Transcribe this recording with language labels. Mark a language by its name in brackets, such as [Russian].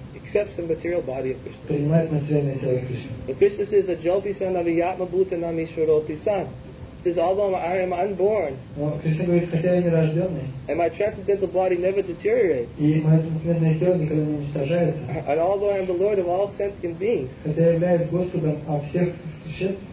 [English] accepts the material body of Krishna. [Russian] Принимает материальное тело Кришны. [English] But Krishna says, [Sanskrit] "Ajalpi sanavi yatma bhuta namishwaropi san." [English] Says, although I am unborn, [Russian] но Кришна говорит, хотя я не рожденный, [English] and my transcendental body never deteriorates, [Russian] и мое трансцендентное тело никогда не уничтожается, [English] and although I am the Lord of all sentient beings, [Russian] хотя я являюсь Господом всех существ,